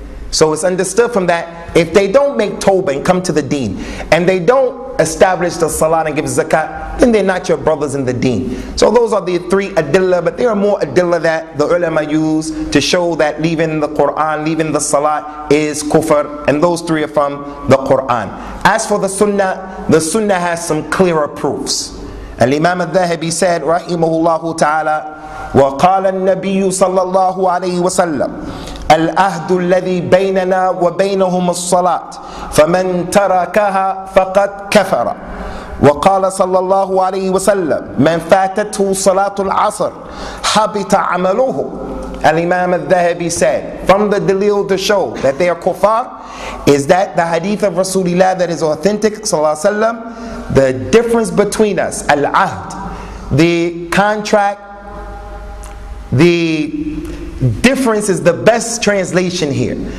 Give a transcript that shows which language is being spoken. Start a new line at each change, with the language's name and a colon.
English: So it's understood from that, if they don't make tawbah and come to the deen and they don't establish the salah and give zakat, then they're not your brothers in the deen. So those are the three adillah, but there are more adillah that the ulama use to show that leaving the Quran, leaving the salah is kufr, and those three are from the Quran. As for the sunnah has some clearer proofs. Al-Imam al-Dhahabi said, Rahimahullahu ta'ala,
Arabic: وَقَالَ النَّبِيُّ صَلَّى اللَّهُ عَلَيْهِ وَسَلَّمَ الْأَهْدُ الَّذِي بَيْنَنَا وَبَيْنَهُمُ الصَّلَاةِ فَمَنْ تَرَكَهَا فَقَدْ كَفَرَ وقال صلى الله عليه وسلم من فاتته صلاة العصر حبط عمله.
English: Al-Imam al-Dhahabi said, from the dalil to show that they are kuffar is that the hadith of Rasulullah that is authentic,
Arabic: صلى الله عليه وسلم,
English: the difference between us, al-ahd, the contract, the difference is the best translation here.